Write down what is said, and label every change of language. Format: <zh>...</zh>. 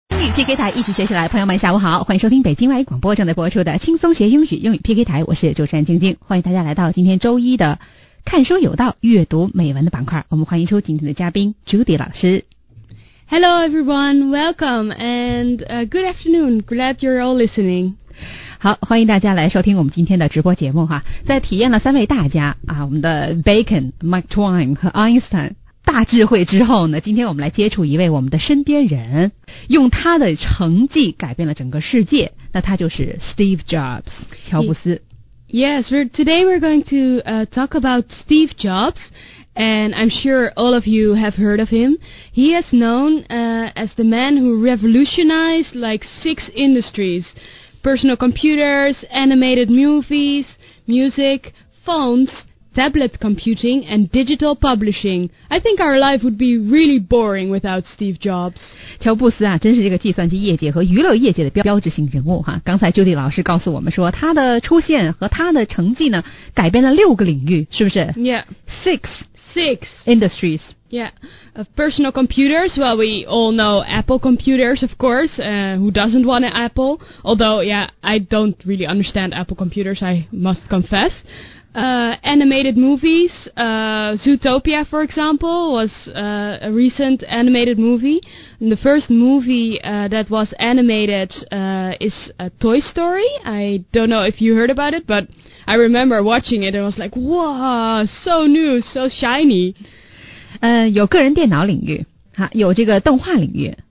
<zh>PK 台一起学习来，朋友们下午好，欢迎收听北京外语广播正在播出的轻松学英语英语 PK 台，我是主持人晶晶，欢迎大家来到今天周一的看书有道阅读美文的板块，我们欢迎出今天的嘉宾 Judy 老师。</zh> <en>Hello everyone, welcome and good afternoon, glad you're all listening.</en> <zh>好，欢迎大家来收听我们今天的直播节目哈。在体验了三位大家啊，我们的 Bacon, Mark Twain 和 Einstein 大智慧之后呢，今天我们来接触一位我们的身边人，用他的成绩改变了整个世界，那他就是 Steve Jobs, 乔布斯。</zh> <en>Yes, today we're going to talk about Steve Jobs, and I'm sure all of you have heard of him. He is known as the man who revolutionized like six industries. Personal computers, animated movies, music, phones, tablet computing, and digital publishing. I think our life would be really boring without Steve Jobs.</en> <zh>乔布斯啊，真是这个计算机业界和娱乐业界的标志性人物哈。刚才 Judy 老师告诉我们说，他的出现和他的成绩呢，改变了六个领域，是不是？Yeah.</zh> <en>Six industries. Yeah, personal computers, well, we all know Apple computers, of course, who doesn't want an Apple? Although, yeah, I don't really understand Apple computers, I must confess. Animated movies, Zootopia, for example, was a recent animated movie. And the first movie that was animated is Toy Story. I don't know if you heard about it, but I remember watching it and was like, wow, so new, so shiny.</en> <zh>有个人电脑领域，哈，有这个动画领域。</zh>